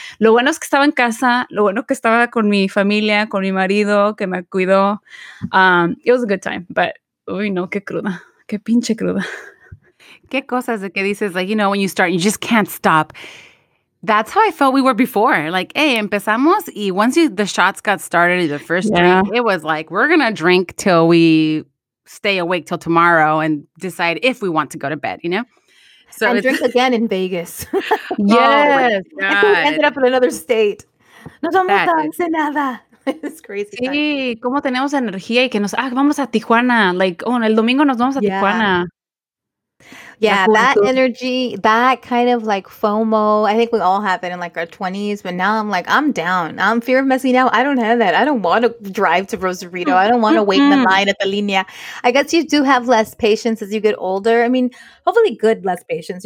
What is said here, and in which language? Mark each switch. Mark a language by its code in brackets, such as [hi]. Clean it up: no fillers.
[es] Lo bueno es que estaba en casa, lo bueno que estaba con mi familia, con mi marido, que me cuidó. [en] It was a good time, but [es] uy, no, qué cruda, qué pinche cruda. Qué cosas de que dices, [en] like, you know, when you start, you just can't stop. That's how I felt we were before. Like, hey, [es] empezamos. [en] Y once the shots got started, the first drink, it was like, we're going to drink till we stay awake till tomorrow and decide if we want to go to bed, you know? So and drink again in Vegas. Yes. Oh, we ended up in another state. [es] No somos tan nada. [en] It's crazy. [es] Sí, cómo tenemos energía y que nos, vamos a Tijuana. [en] Like, oh, [es] el domingo nos vamos a Tijuana. [en] Yeah, that energy, that kind of like FOMO, I think we all have it in like our 20s, but now I'm like, I'm down. I'm fear of missing out. I don't have that. I don't want to drive to Rosarito. I don't want to wait in the line at the linea. I guess you do have less patience as you get older. I mean, hopefully good less patience.